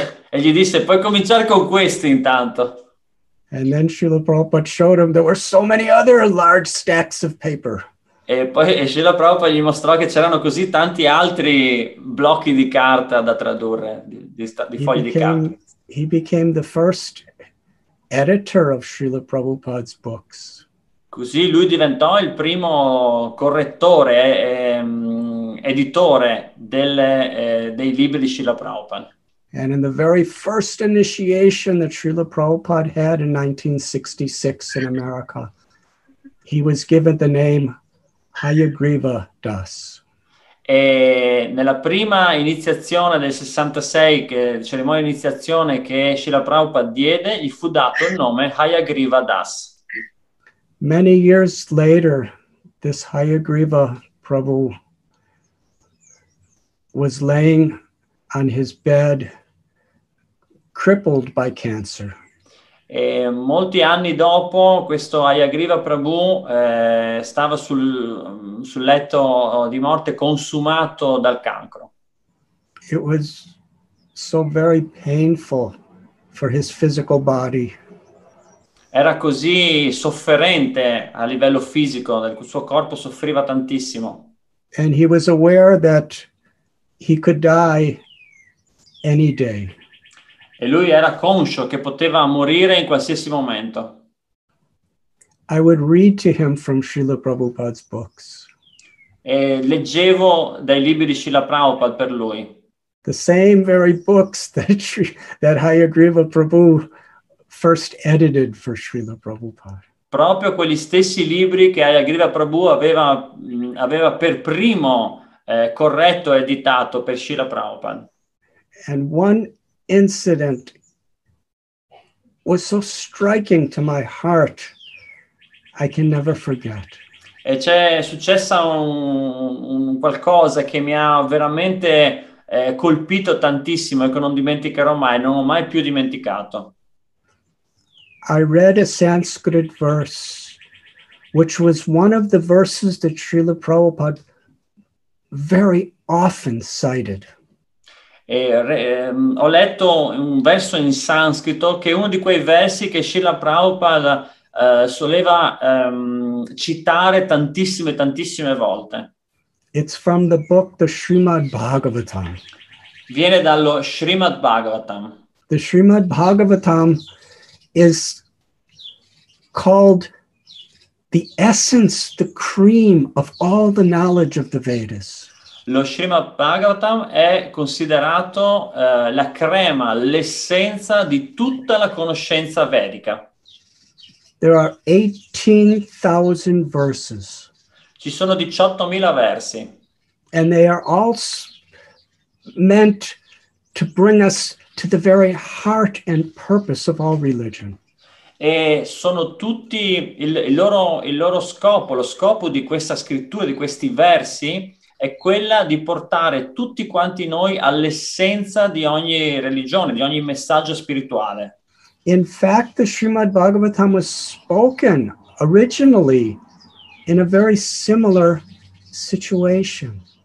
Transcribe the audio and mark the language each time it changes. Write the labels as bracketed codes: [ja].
[it] E gli disse, puoi cominciare con questo intanto. [en] And then Srila Prabhupada showed him there were so many other large stacks of paper. [it] E poi Srila Prabhupada gli mostrò che c'erano così tanti altri blocchi di carta da tradurre, di fogli di carta. [en] He became the first editor of Srila Prabhupada's books. [it] Così lui diventò il primo correttore, editore dei libri di Srila Prabhupada. [en] And in the very first initiation that Srila Prabhupada had in 1966 in America, he was given the name Hayagriva Das. [it] E nella prima iniziazione del 66, che cerimonia di iniziazione che Srila Prabhupada diede, gli fu dato il nome Hayagriva Das. [en] Many years later, this Hayagriva Prabhu was laying on his bed, crippled by cancer. [it] E molti anni dopo, questo Hayagriva Prabhu stava sul letto di morte consumato dal cancro. [en] It was so very painful for his physical body. [it] Era così sofferente a livello fisico, il suo corpo soffriva tantissimo. [en] And he was aware that he could die any day. [it] E lui era conscio che poteva morire in qualsiasi momento. [en] I would read to him from Srila Prabhupada's books. [it] E leggevo dai libri di Srila Prabhupada per lui. [en] The same very books that Hayagriva Prabhu first edited for Srila Prabhupada. [it] Proprio quegli stessi libri che Hayagriva Prabhu aveva per primo corretto e editato per Srila Prabhupada. [en] And one incident was so striking to my heart, I can never forget. [it] E c'è successo un qualcosa che mi ha veramente colpito tantissimo e che non dimenticherò mai, non ho mai più dimenticato. [en] I read a Sanskrit verse, which was one of the verses that Srila Prabhupada very often cited. [it] Ho letto un verso in sanscrito che è uno di quei versi che Srila Prabhupada soleva citare tantissime volte. [en] It's from the book the Srimad Bhagavatam. [it] Viene dallo Srimad Bhagavatam. [en] The Srimad Bhagavatam is called the essence, the cream of all the knowledge of the Vedas. [it] Lo Srimad Bhagavatam è considerato la crema, l'essenza di tutta la conoscenza vedica. [en] There are 18,000 verses. [it] Ci sono 18,000 versi. [en] And they are all meant to bring us to the very heart and purpose of all religion. [it] E sono tutti il loro scopo, lo scopo di questa scrittura, di questi versi, è quella di portare tutti quanti noi all'essenza di ogni religione, di ogni messaggio spirituale. [en] In fact, the Srimad Bhagavatam was spoken originally in a very similar situation.